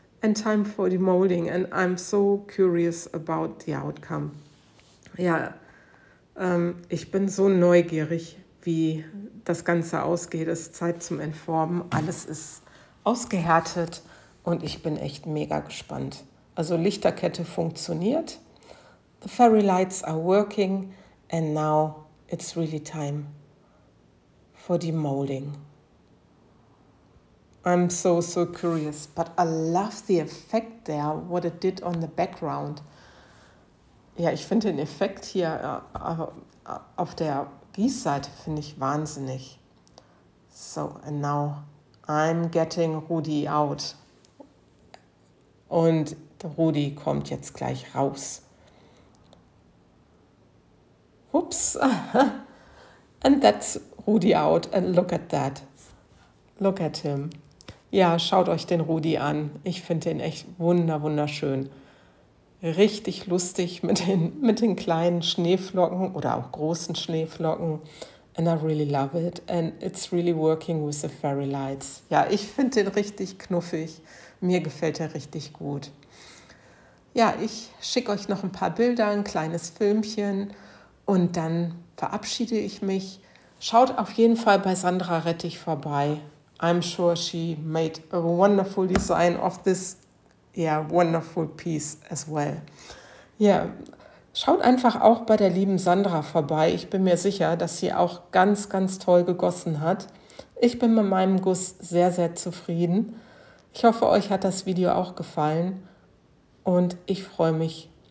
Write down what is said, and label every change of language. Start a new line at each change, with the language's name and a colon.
English: And time for the molding, and I'm so curious about the outcome.
German: Ja, ich bin so neugierig, wie das Ganze ausgeht. Es ist Zeit zum Entformen. Alles ist ausgehärtet und ich bin echt mega gespannt. Also Lichterkette funktioniert.
English: The fairy lights are working, and now it's really time for the molding. I'm so, so curious, but I love the effect there, what it did on the background.
German: Ja, ich finde den Effekt hier auf der Gießseite finde ich wahnsinnig.
English: So, and now I'm getting Rudi out.
German: Und Rudi kommt jetzt gleich raus.
English: Whoops. And that's Rudi out. And look at that. Look at him.
German: Ja, schaut euch den Rudi an. Ich finde den echt wunder, wunderschön. Richtig lustig mit den kleinen Schneeflocken oder auch großen Schneeflocken.
English: And I really love it. And it's really working with the fairy lights.
German: Ja, ich finde den richtig knuffig. Mir gefällt er richtig gut. Ja, ich schicke euch noch ein paar Bilder, ein kleines Filmchen und dann verabschiede ich mich. Schaut auf jeden Fall bei Sandra Rettig vorbei.
English: I'm sure she made a wonderful design of this, wonderful piece as well.
German: Ja, schaut einfach auch bei der lieben Sandra vorbei. Ich bin mir sicher, dass sie auch ganz, ganz toll gegossen hat. Ich bin mit meinem Guss sehr, sehr zufrieden. Ich hoffe, euch hat das Video auch gefallen und ich freue mich